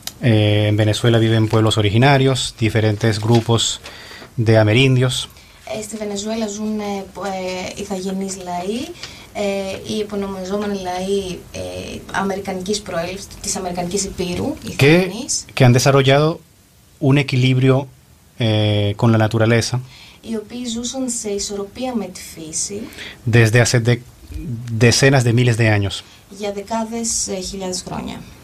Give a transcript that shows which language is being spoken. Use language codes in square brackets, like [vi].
[es] En Venezuela viven pueblos originarios, diferentes grupos de amerindios. [el] Στη Βενεζουέλα ζουν ηθαγενείς λαοί, οι υπονομιζόμενοι λαοί αμερικανικής προέλευσης, της αμερικανικής υπήρου, ηθαγενείς. [es] Que han desarrollado un equilibrio con la naturaleza. [el] Οι οποίοι ζούσαν σε ισορροπία με τη φύση. [es] Desde hace decenas de miles de años. [el] Για δεκάδες χιλιάδες χρόνια.